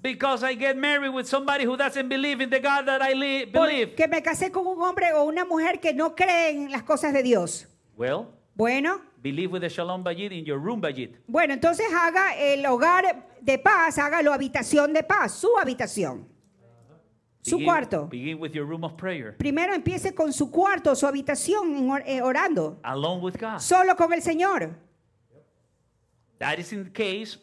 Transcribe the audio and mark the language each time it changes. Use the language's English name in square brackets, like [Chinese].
[English] Because I get married with somebody who doesn't believe in the God that I believe. [Spanish] Porque me casé con un hombre o una mujer que no cree en las cosas de Dios. [English] Well. [Spanish] Bueno. [English] Believe with a Shalom Bayit in your room Bayit. [Spanish] Bueno, entonces haga el hogar de paz, haga la habitación de paz, su habitación. Su cuarto. [English] Begin with your room of prayer. [Spanish] Primero empiece con su cuarto, su habitación orando. [English] Alone with God. [Spanish] Solo con el Señor. [English] That is in case.